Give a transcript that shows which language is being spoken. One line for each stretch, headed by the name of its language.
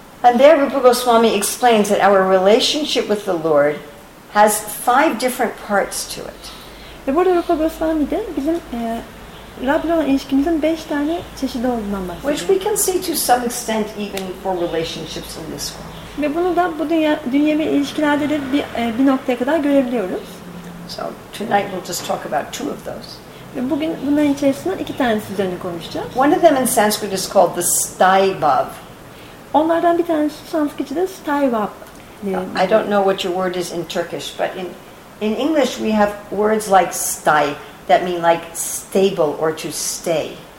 English: And there Rupa Goswami explains that our relationship with the Lord has five different parts to it.
Turkish: Ve burada Rupa Goswami de bizim Rab'la olan ilişkimizin beş tane çeşidi olduğundan bahsediyor.
English: Which we can see to some extent even for relationships in this world.
Turkish: Ve bunu da bu dünyevi ilişkilerde de bir noktaya kadar görebiliyoruz.
English: So tonight we'll just talk about two of those.
Turkish: Ve bugün bunların içerisinden iki tanesi üzerine konuşacağız.
English: One of them in Sanskrit is called the sthaibhav.
Turkish: Onlardan bir tanesi Sanskritçe'de sthaibhav.
English: I don't know what your word is in Turkish, but in English we have words like sthai that mean like stable or to stay.